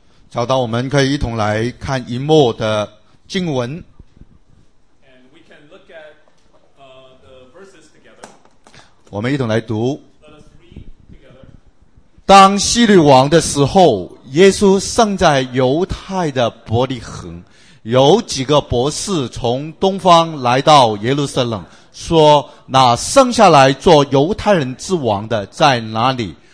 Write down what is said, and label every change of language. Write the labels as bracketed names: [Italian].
[Chinese] 找到我们可以一同来看一幕的经文。 [English] And we can look at, the verses together. [Chinese] 我们一同来读。 [English] Let us read together. [Chinese] 当希律王的时候，耶稣生在犹太的伯利恒。有几个博士从东方来到耶路撒冷，说那生下来做犹太人之王的在哪里？